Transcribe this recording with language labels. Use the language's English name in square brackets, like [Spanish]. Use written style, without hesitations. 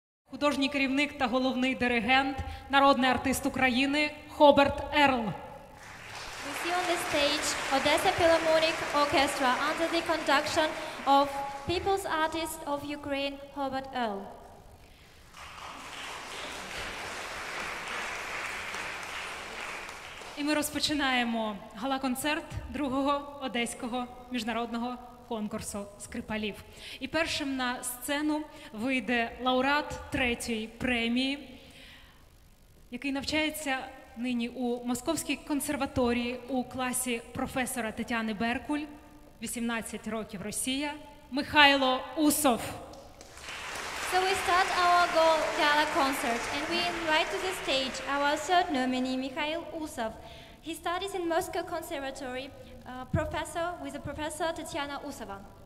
[Ukrainian] художній керівник та головний диригент, народний артист України Хоберт Ерл. [English] We see on the stage Odessa Philharmonic Orchestra under the conduction of People's Artist of Ukraine, Hobart Earl. [Ukrainian] І ми розпочинаємо гала-концерт другого одеського міжнародного конкурсу скрипалів. І першим на сцену вийде лауреат третьої премії, який навчається нині у Московській консерваторії у класі професора Тетяни Беркуль, 18 років, Росія, Михайло Усов. [English] So we start our gala concert and we invite to the stage our third nominee, Mikhail Usov. He studies in Moscow Conservatory, professor with the professor Tatiana Usova.